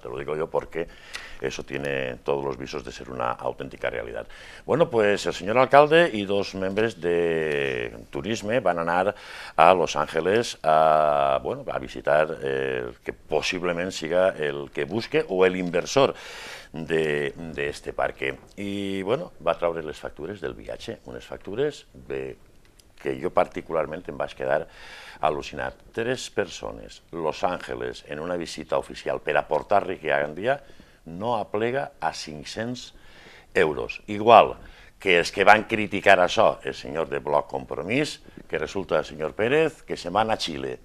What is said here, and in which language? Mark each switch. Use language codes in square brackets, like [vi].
[es] Te lo digo yo porque eso tiene todos los visos de ser una auténtica realidad. Bueno, pues el señor alcalde y dos miembros de [ca] Turisme van anar a Los Ángeles a visitar el que possiblement siga el que busque o l'inversor d'este parque. I va traure les factures del viatge, unes factures que jo particularment em vaig quedar al·lucinat. Tres persones, Los Ángeles, en una visita oficial per aportar riquesa a Gandia, no aplega a 500 euros. Igual que els que van criticar això, el senyor de Bloc Compromís, [es] que resulta, señor Pérez, que se van a Chile.